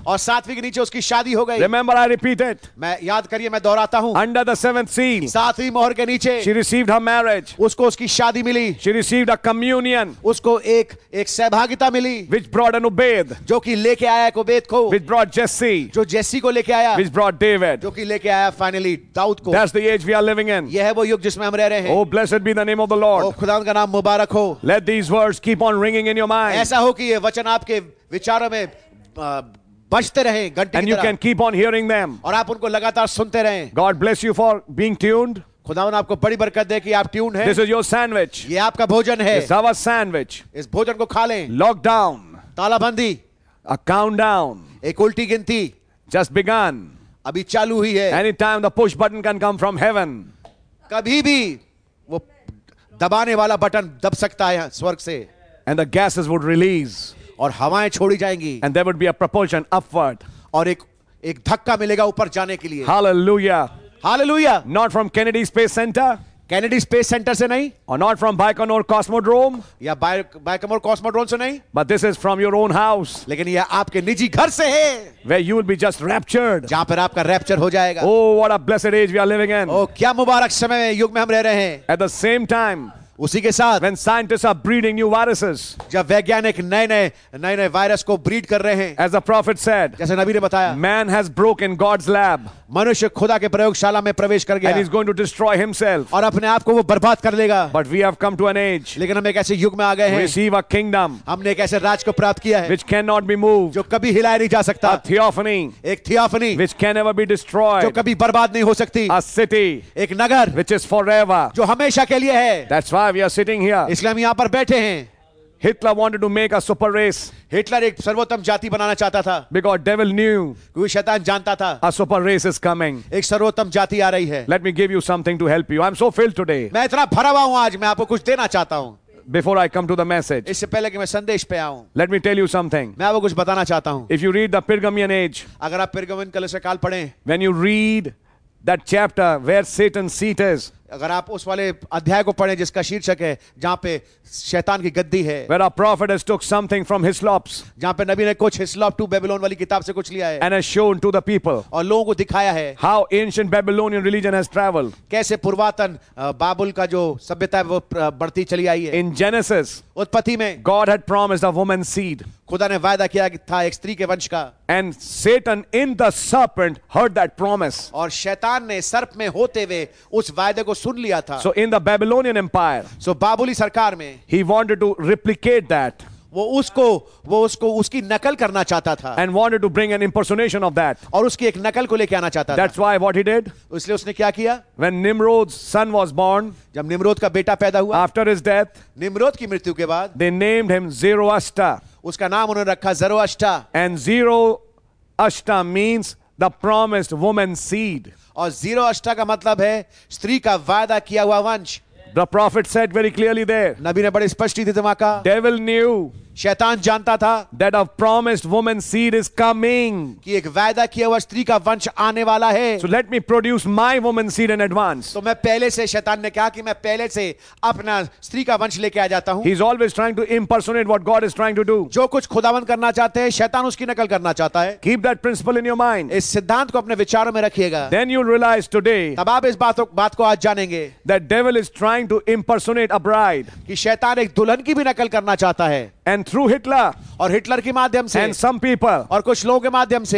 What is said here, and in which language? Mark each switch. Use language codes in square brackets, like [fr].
[hi] और सातवीं के नीचे उसकी शादी हो गई. [en] Remember I repeat it. [hi] मैं याद करिए मैं दोहराता हूँ. [en] Under the seventh seal. [hi] सातवीं मोहर के नीचे. [en] She received her marriage. [hi] उसको उसकी शादी मिली. [en] She received a communion. [hi] उसको एक सहभागिता मिली. [en] Which brought an Obed. [hi] जो कि लेके आया कोबेद को. [en] Which brought Jesse. [hi] जो जेसी को लेके आया. [en] Which brought David. [hi] जो कि लेके आया finally दाऊद को. [en] That's the age we are living in. [hi] यह है वो युग जिसमें हम रह रहे हैं. [en] Oh blessed be the name of the Lord. [hi] ओ खुदा का नाम मुबारक हो. [en] Let these words keep on ringing in your mind. [hi] ऐसा हो कि ये वचन आपके विचारों में बजते रहे घंटे की तरह. [en] And you can keep on hearing them. [hi] और आप उनको लगातार सुनते रहें. [en] God bless you for being tuned. [hi] खुदावन आपको बड़ी बरकत दे कि आप ट्यून हैं. [en] This is your sandwich. [hi] ये आपका भोजन है. [en] It's our sandwich. [hi] इस भोजन को खा लें. [en] Lockdown. [hi] तालाबंदी. [en] A countdown. [hi] एक उल्टी गिनती. [en] Just begun. [hi] अभी चालू ही है. [en] Anytime the push button can come from heaven. [hi] कभी भी वो दबाने वाला बटन दब सकता है स्वर्ग से. [en] And the gases would release. [hi] और हवाएं छोड़ी जाएंगी. [en] And there would be a propulsion upward. [hi] और एक धक्का मिलेगा ऊपर जाने के लिए. [en] Hallelujah. [hi] Hallelujah. [en] Not from Kennedy Space Center. [hi] Kennedy Space Center से नहीं. [en] Or not from Baikonur Cosmodrome. [hi] या Baikonur Cosmodrome से नहीं. [en] But this is from your own house. [hi] लेकिन यह आपके निजी घर से है. [en] Where you will be just raptured. [hi] जहां पर आपका rapture हो जाएगा. [en] Oh, what a blessed age we are living in. [hi] Oh, क्या मुबारक समय में युग में हम रह रहे हैं. [en] At the same time. [hi] उसी के साथ. [en] When scientists are breeding new viruses. [hi] जब वैज्ञानिक नए-नए वायरस को ब्रीड कर रहे हैं. [en] As the prophet said. [hi] जैसे नबी ने बताया. [en] Man has broken God's lab. [hi] मनुष्य खुदा के प्रयोगशाला में प्रवेश कर गया. [en] And he's going to destroy himself. [hi] और अपने आप को वो बर्बाद कर लेगा. [en] But we have come to an age. [hi] लेकिन हम एक ऐसे युग में आ गए हैं. [en] Receive a kingdom. [hi] हमने एक ऐसे राज को प्राप्त किया है. [en] Which cannot be moved. [hi] जो कभी हिलाया नहीं जा सकता. [en] A theophany. [hi] एक theophany. [en] Which can never be destroyed. [hi] जो कभी बर्बाद नहीं हो सकती. [en] A city. [hi] एक नगर. [en] Which is forever. [hi] जो हमेशा के लिए है. [en] That's why we are sitting here. [hi] इसलिए हम यहाँ पर बैठे हैं. [en] Hitler wanted to make a super race. [hi] Hitler एक सर्वोत्तम जाति बनाना चाहता था. [en] Because devil knew. [hi] क्योंकि शैतान जानता था. [en] A super race is coming. [hi] एक सर्वोत्तम जाति आ रही है. [en] Let me give you something to help you. I'm so filled today. [hi] मैं इतना भरा हुआ हूँ आज. मैं आपको कुछ देना चाहता हूँ. [en] Before I come to the message. [hi] इससे पहले कि मैं संदेश पे आऊँ. [en] Let me tell you something. [hi] मैं आपको कुछ बताना चाहता हूँ. [en] If you read the Pergamian Age. [hi] अगर आप पेर्गमन कलश काल पढ़ें. [en] When you read that chapter where Satan's seat is. [hi] अगर आप उस वाले अध्याय को पढ़ें जिसका शीर्षक है जहां पे शैतान की गद्दी है. [en] Where a prophet has took something from hislops. [hi] जहां पे नबी ने कुछ हिस्लॉप टू बेबीलोन वाली किताब से कुछ लिया है. [en] And has shown to the people. [hi] और लोगों को दिखाया है. [en] How ancient Babylonian religion has traveled. [hi] कैसे पुरातन बाबुल का जो सभ्यता है वो बढ़ती चली आई है. [en] In Genesis. [hi] उत्पत्ति में. [en] God had promised a woman's seed. [hi] खुदा ने वायदा किया था एक स्त्री के वंश का. [en] And Satan in the serpent heard that promise. [hi] और शैतान ने सर्प में होते हुए उस वायदे को सुन लिया था. [en] So in the Babylonian Empire. [hi] So Babuli सरकार में. [en] He wanted to replicate that. [hi] वो उसको उसकी नकल करना चाहता था. [en] And wanted to bring an impersonation of that. [hi] और उसकी एक नकल को लेके आना चाहता था. [en] That's why what he did. [hi] इसलिए उसने क्या किया? [en] When Nimrod's son was born. [hi] जब निमरोद का बेटा पैदा हुआ. [en] After his death. [hi] निमरोद की मृत्यु के बाद. [en] They named him Zoroaster. [hi] उसका नाम उन्होंने रखा Zoroaster. [en] And Zoroaster means the promised woman seed. [hi] और Zoroaster का मतलब है स्त्री का वायदा किया हुआ वंश. [en] The prophet said very clearly there. [hi] नबी ने बड़े स्पष्ट ही थे वहां का. [en] Devil knew. [hi] शैतान जानता था [en] that a promised woman seed is coming [hi] कि एक वायदा किया हुआ स्त्री का वंश आने वाला है [en] so let me produce my woman seed in advance [hi] तो मैं पहले से शैतान ने कहा कि मैं पहले से अपना स्त्री का वंश लेके आ जाता हूं [en] he is always trying to impersonate what god is trying to do [hi] जो कुछ खुदावंत करना चाहते हैं शैतान उसकी नकल करना चाहता है [en] keep that principle in your mind [hi] इस सिद्धांत को अपने विचारों में रखिएगा [en] then you'll realize today [hi] तब आप इस बात को आज जानेंगे [en] that devil is trying to impersonate a bride [hi] कि शैतान एक दुल्हन की भी नकल करना चाहता है [en] And through Hitler, [hi] और हिटलर के माध्यम से, [en] and some people, [hi] और कुछ लोगों के माध्यम से,